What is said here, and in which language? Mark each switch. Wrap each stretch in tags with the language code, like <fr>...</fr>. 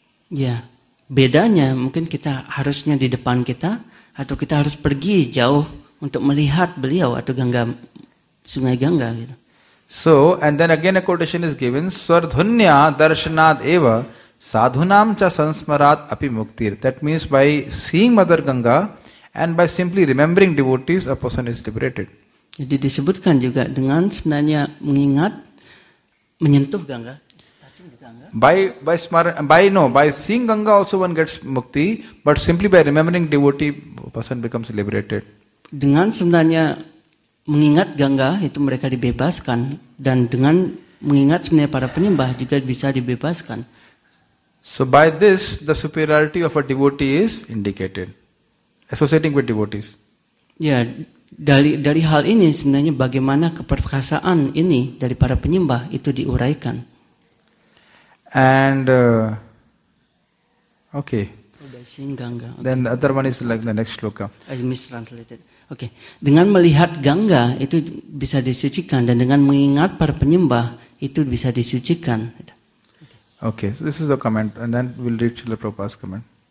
<id>Yeah. Bedanya mungkin kita harusnya di depan kita atau kita harus pergi jauh untuk melihat beliau atau Ganga, Sungai Ganga gitu.</id> <en>So, and then again a quotation is given,</en> <sa>Swardhunya Darshanad Eva Sadhunam cha sansmarat api muktir.</sa> <en>That means by seeing Mother Ganga and by simply remembering devotees, a person is liberated.</en> <id>Jadi disebutkan juga dengan sebenarnya mengingat, menyentuh Ganga.</id> <en>By seeing Ganga also one gets mukti, but simply by remembering devotee, a person becomes liberated.</en> <id>Dengan sebenarnya mengingat Ganga itu mereka dibebaskan dan dengan mengingat sebenarnya para penyembah juga bisa dibebaskan.</id> <en>So by this, the superiority of a devotee is indicated, associating with devotees.</en> <id>Yeah, dari hal ini sebenarnya bagaimana keperkasaan ini dari para penyembah itu diuraikan.</id> <en>And okay. By seeing Ganga. Okay. Then the other one is like the next shloka. I mistranslated.</en> <id>Okay, dengan melihat Ganga itu bisa disucikan dan dengan mengingat para penyembah itu bisa disucikan.</id> <en>Okay, so this is the comment, and then we'll read Srila Prabhupada's comment.</en>